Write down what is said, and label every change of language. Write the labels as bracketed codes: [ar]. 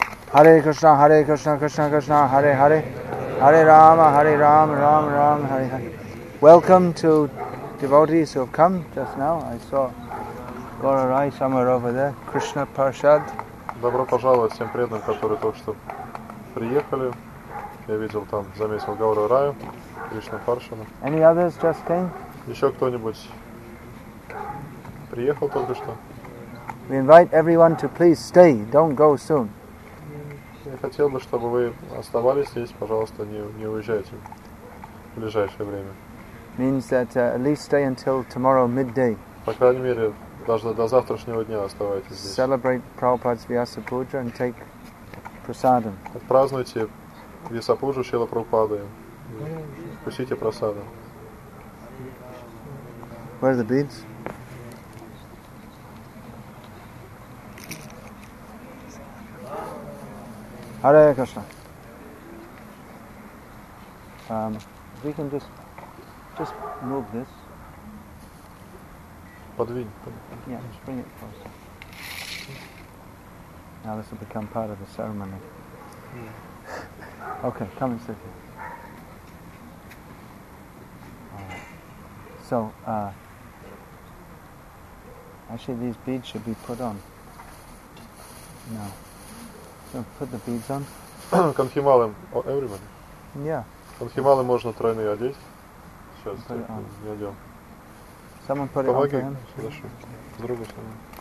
[sa] Hare Krishna, Hare Krishna, Krishna Krishna, Hare Hare, Hare Rama, Hare Rama, Rama Rama, Hare Hare. [en] Welcome to devotees who have come just now. I saw Gaura Rai somewhere over there, Krishna Parshad. [ru] Добро пожаловать всем преданным, которые только что приехали. Я видел там, заметил Гаура Раю, Кришна Паршада. [en] Any others just came? [ru] Еще кто-нибудь приехал только что? [en] We invite everyone to please stay, don't go soon. [ru] Я хотел бы, чтобы вы оставались здесь, пожалуйста, не уезжайте в ближайшее время. [en] Means that at least stay until tomorrow midday. [ru] По крайней мере, даже до завтрашнего дня оставайтесь здесь. [en] Celebrate Prabhupada's Vyasa Puja and take prasadam. [ru] Отпразднуйте Vyasa Puja Шрила Прабхупады. Вкусите прасада. [en] Where are the beads? Hare Krishna. We can just move this. [ru] Подвинь. [en] Yeah, just bring it closer. Now this will become part of the ceremony. Yeah. Okay, come and sit here. Actually these beads should be put on. No. Put the beads on. Конфималы, everybody. Yeah. [ru] Конфималы можно тройные одеть. Сейчас я надел. [en] Someone put it on. [ru] Помоги, хорошо. С другой стороны.